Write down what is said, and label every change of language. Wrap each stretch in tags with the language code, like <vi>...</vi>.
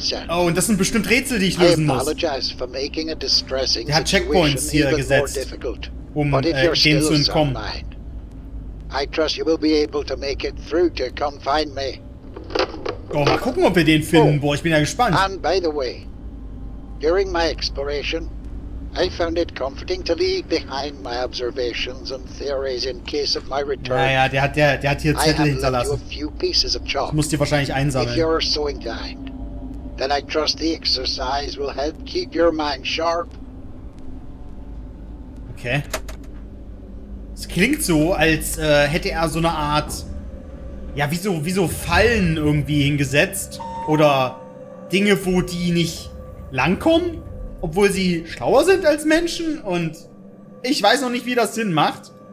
<de>Oh, und das sind bestimmt Rätsel, die ich lösen muss. Er hat Checkpoints hier gesetzt, um denen zu entkommen.</de> <en>Ich trust you will be able to make it through to come find me.</en> <de>Oh, mal gucken, ob wir den finden. Boah, ich bin ja gespannt.</de> <en>And by the way, during my exploration, I found it comforting to leave behind my observations and theories in case of my return.</en> <de>Naja, der hat hier Zettel hinterlassen. Ich muss die wahrscheinlich einsammeln.</de> <en>If you're so inclined, then I trust the exercise will help keep your mind sharp. Okay.</en> <de>Es klingt so, als hätte er so eine Art... Ja, wieso Fallen irgendwie hingesetzt? Oder Dinge, wo die nicht langkommen? Obwohl sie schlauer sind als Menschen? Und ich weiß noch nicht, wie das Sinn macht.</de>